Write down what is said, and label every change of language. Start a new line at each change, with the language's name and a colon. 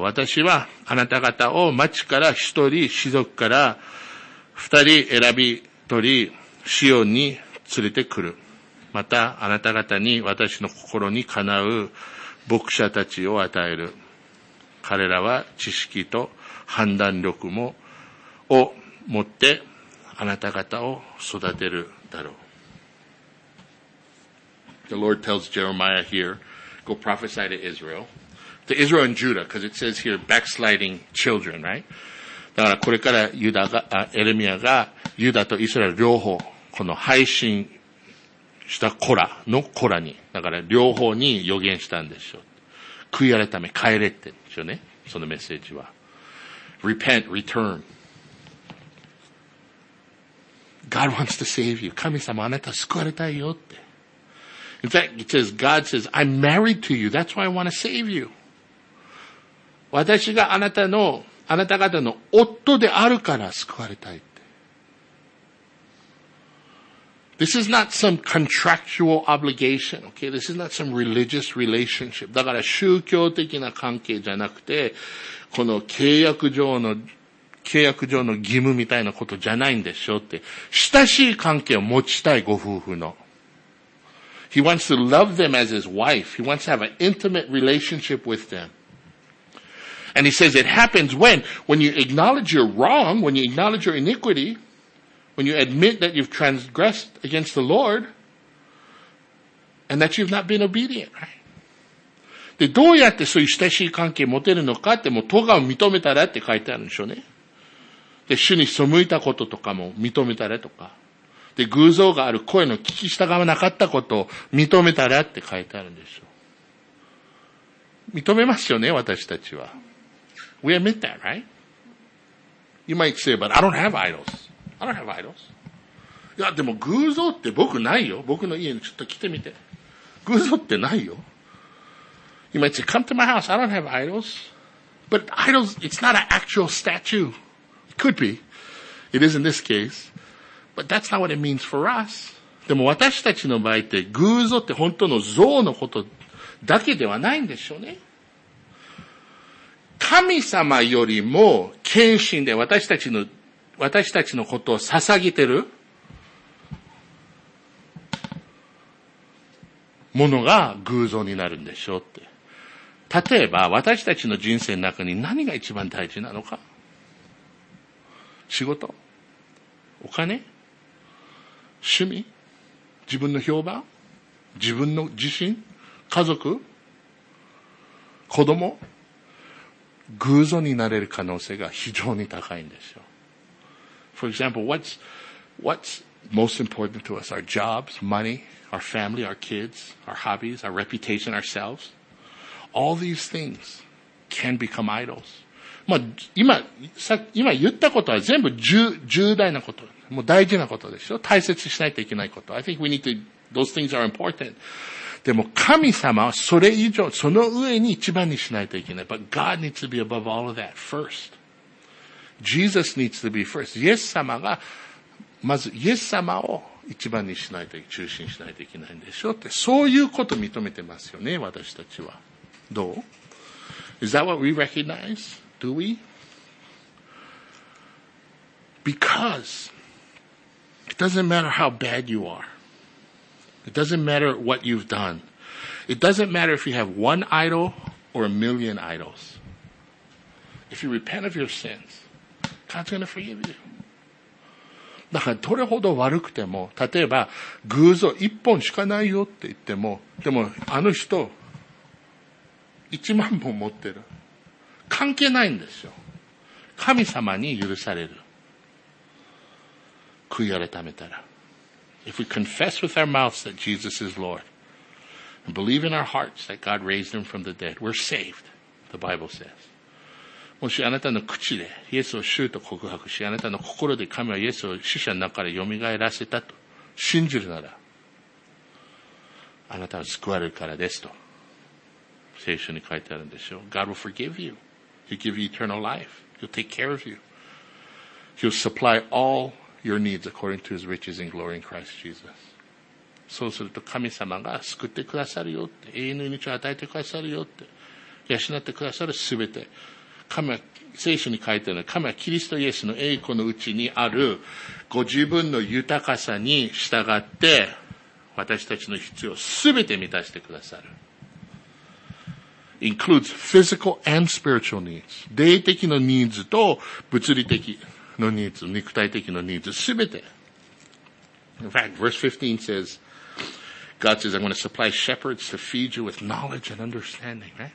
Japanese: 私はあなた方を町から一人、士族から二人選び取り、シオンに連れてくる。またあなた方に私の心にかなう牧者たちを与える。彼らは知識と判断力もを持ってあなた方を育てるだろう。
English: The Lord tells Jeremiah here, go prophesy to Israel. To Israel and Judah, because it says here, backsliding children, right?
Japanese: だからこれからユダが、エレミアがユダとイスラエル両方、この背信した子らの子らに、だから両方に予言したんでしょう。悔い改め、帰れってんでしょうね。そのメッセージは。
English: Repent, return. God wants to save you.
Japanese: 神様あなた救われたいよって。
English: In fact, it says, God says, I'm married to you. That's why I want to save you.
Japanese: 私があなたの、あなた方の夫であるから救われたいって。
English: This is not some contractual obligation, okay? This is not some religious relationship.
Japanese: だから宗教的な関係じゃなくて、この契約上の義務みたいなことじゃないんでしょって。親しい関係を持ちたいご夫婦の。
English: He wants to love them as his wife. He wants to have an intimate relationship with them. And he says it happens when you acknowledge your wrong, when you acknowledge your iniquity, when you admit that you've transgressed against the Lord, and that you've not been obedient, right?
Japanese: で、どうやってそういう親しい関係持てるのかって、もう咎を認めたらって書いてあるんでしょうね。で、主に背いたこととかも認めたらとか。で、偶像がある声の聞き従わなかったことを認めたらって書いてあるんでしょう。認めますよね、私たちは。
English: We admit that, right? You might say, but I don't have idols. I don't have idols.
Japanese: いや、でも偶像って僕ないよ。僕の家にちょっと来てみて。偶像ってないよ。
English: You might say, come to my house. I don't have idols. But idols, it's not an actual statue. It could be. It is in this case. But that's not what it means for us.
Japanese: でも私たちの場合って偶像って本当の像のことだけではないんでしょうね。神様よりも献身で私たちのことを捧げてるものが偶像になるんでしょうって。例えば私たちの人生の中に何が一番大事なのか？仕事？お金？趣味？自分の評判？自分の自信？家族？子供？偶像になれる可能性が非常に高いんですよ。
English: For example, what's most important to us? Our jobs, money, our family, our kids, our hobbies, our reputation, ourselves. All these things can become idols.
Japanese: まあ、今言ったことは全部重大なこと。もう大事なことでしょ。大切にしないといけないこと。
English: I think we need to, those things are important.
Japanese: でも神様はそれ以上、その上に一番にしないといけない。
English: But God needs to be above all of that first. Jesus needs to be first.
Japanese: イエス様が、まずイエス様を一番にしないといけない、中心にしないといけないんでしょって、そういうことを認めてますよね、私たちは。どう？
English: Is that what we recognize? Do we? Because,It doesn't matter how bad you are. It doesn't matter what you've done. It doesn't matter if you have one idol or a million idols. If you repent of your sins, God's going to forgive you.
Japanese: だからどれほど悪くても、例えば偶像一本しかないよって言っても、でもあの人一万本持ってる。関係ないんですよ。神様に許される。悔い改めたら。
English: If we confess with our mouths that Jesus is Lord, and believe in our hearts that God raised him from the dead, we're saved, the Bible says.
Japanese: もしあなたの口でイエスを主と告白し、あなたの心で神はイエスを死者の中から蘇らせたと信じるなら、あなたは救われるからですと、聖書に書いてあるんでしょう。
English: God will forgive you. He'll give you eternal life. He'll take care of you. He'll supply allYour needs according to his riches and glory in Christ Jesus.
Japanese: そうすると神様が救ってくださるよって、永遠の命を与えてくださるよって、養ってくださるすべて。神は、聖書に書いてあるのは、神はキリストイエスの栄光のうちにある、ご自分の豊かさに従って、私たちの必要をすべて満たしてくださる。
English: Includes physical and spiritual needs.
Japanese: 霊的なニーズと物理的のニーズ、肉体的なニーズ、すべて。
English: In fact, verse 15 says, God says, I'm going to supply shepherds to feed you with knowledge and understanding, right?